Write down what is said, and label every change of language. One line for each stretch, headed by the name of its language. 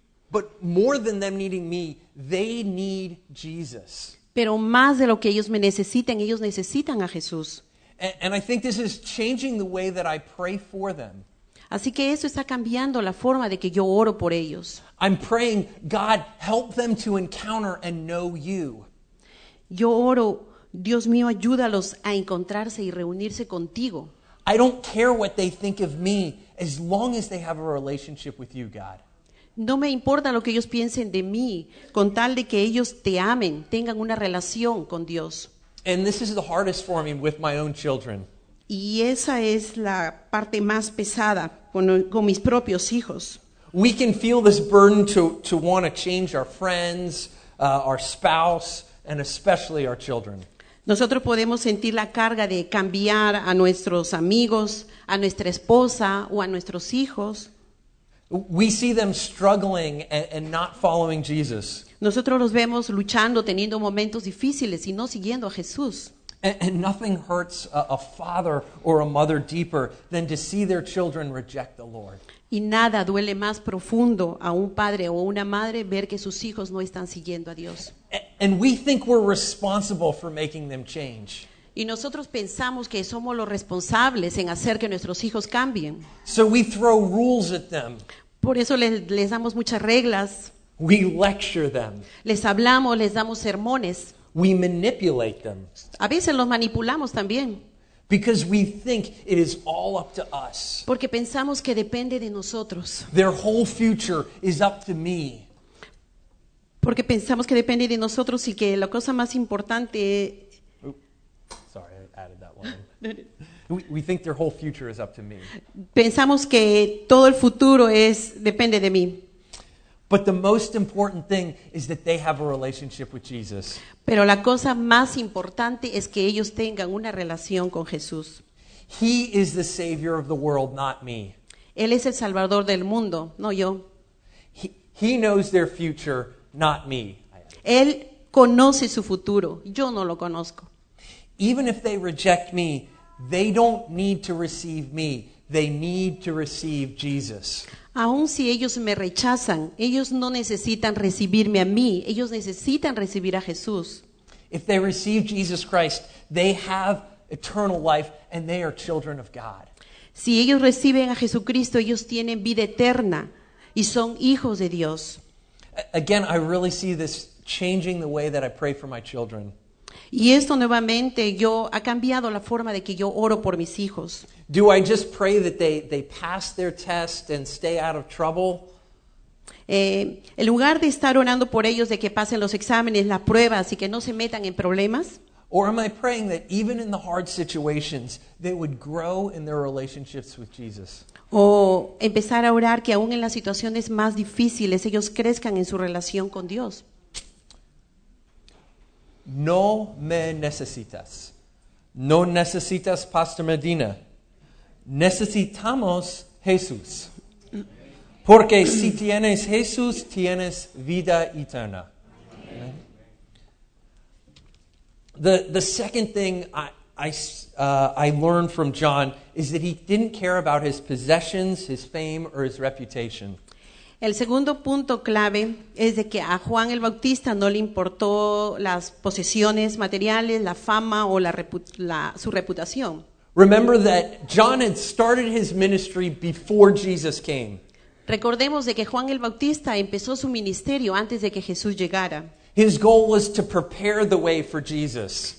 English: But more than them needing me, they need Jesus.
Spanish: Pero más de lo que ellos me necesitan, ellos necesitan a Jesús.
English: And I think this is changing the way that I pray for them.
Spanish: Así que eso está cambiando la forma de que yo oro por ellos.
English: I'm praying, God, help them to encounter and know you.
Spanish: Yo oro, Dios mío, ayúdalos a encontrarse y reunirse contigo.
English: I don't care what they think of me as long as they have a relationship with you, God.
Spanish: No me importa lo que ellos piensen de mí, con tal de que ellos te amen, tengan una relación con Dios.
English: And this is the hardest for me with my own children.
Spanish: Y esa es la parte más pesada con mis propios hijos.
English: We can feel this burden to want to change our friends, our spouse, and especially our children.
Spanish: Nosotros podemos sentir la carga de cambiar a nuestros amigos, a nuestra esposa o a nuestros hijos.
English: We see them struggling and not following Jesus.
Spanish: Nosotros los vemos luchando, teniendo momentos difíciles y no siguiendo a Jesús.
English: And nothing hurts a father or a mother deeper than to see their children reject the Lord.
Spanish: Y nada duele más profundo a un padre o una madre ver que sus hijos no están siguiendo a Dios.
English: And we think we're responsible for making them change.
Spanish: Y nosotros pensamos que somos los responsables en hacer que nuestros hijos cambien.
English: So we throw rules at them.
Spanish: Por eso les damos muchas reglas.
English: We lecture them.
Spanish: Les hablamos, les damos sermones.
English: We manipulate them.
Spanish: A veces los manipulamos también.
English: Because we think it is all up to us.
Spanish: Porque pensamos que depende de nosotros.
English: Their whole future is up to me.
Spanish: Porque pensamos que depende de nosotros y que la cosa más importante...
English: Sorry, I added that one. We think their whole future is up to me.
Spanish: Pensamos que todo el futuro es depende de mí.
English: But the most important thing is that they have a relationship with Jesus.
Spanish: Pero la cosa más importante es que ellos tengan una relación con Jesús.
English: He is the savior of the world, not me.
Spanish: Él es el salvador del mundo, no yo.
English: He knows their future, not me.
Spanish: Él conoce su futuro, yo no lo conozco.
English: Even if they reject me, they don't need to receive me. They need to receive Jesus.
Spanish: Aun si ellos me rechazan, ellos no necesitan recibirme a mí. Ellos necesitan recibir a Jesús.
English: If they receive Jesus Christ, they have eternal life and they are children of God.
Spanish: Si ellos reciben a Jesucristo, ellos tienen vida eterna y son hijos de Dios.
English: Again, I really see this changing the way that I pray for my children.
Spanish: Y esto nuevamente yo ha cambiado la forma de que yo oro por mis hijos.
English: Do I just pray that they pass their test and stay out of trouble?
Spanish: En lugar de estar orando por ellos de que pasen los exámenes, las pruebas y que no se metan en problemas.
English: Or am I praying that even in the hard situations they would grow in their relationships with Jesus?
Spanish: O empezar a orar que aún en las situaciones más difíciles ellos crezcan en su relación con Dios. No me necesitas. No necesitas, Pastor Medina. Necesitamos Jesús. Porque si tienes Jesús, tienes vida eterna.
English: The second thing I learned from John is that he didn't care about his possessions, his fame, or his reputation.
Spanish: El segundo punto clave es de que a Juan el Bautista no le importó las posesiones materiales, la fama o su reputación.
English: Remember that John had started his ministry before Jesus came.
Spanish: Recordemos de que Juan el Bautista empezó su ministerio antes de que Jesús llegara.
English: His goal was to prepare the way for Jesus.